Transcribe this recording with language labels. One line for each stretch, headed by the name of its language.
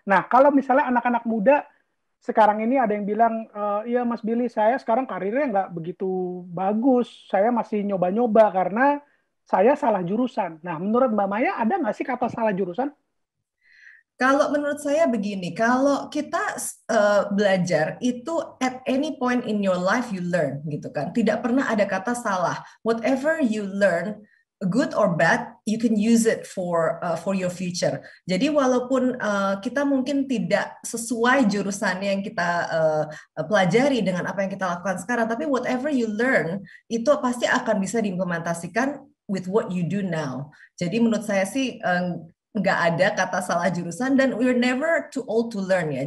Indonesian: Nah, kalau misalnya anak-anak muda sekarang ini ada yang bilang, iya Mas Billy, saya sekarang karirnya nggak begitu bagus, saya masih nyoba-nyoba karena saya salah jurusan. Nah, menurut Mbak Maya, ada nggak sih kata salah jurusan? Kalau menurut saya begini, kalau kita belajar itu
English: at any point in your life you learn
Indonesian: gitu kan. Tidak pernah ada kata salah.
English: Whatever you learn, good or bad, you can use it for your future.
Indonesian: Jadi walaupun kita mungkin tidak sesuai jurusannya yang kita pelajari dengan apa yang kita lakukan sekarang, tapi
English: whatever you learn
Indonesian: itu pasti akan bisa diimplementasikan
English: with what you do now.
Indonesian: Jadi menurut saya sih nggak ada kata salah jurusan, dan
English: we're never too old to learn
Indonesian: ya.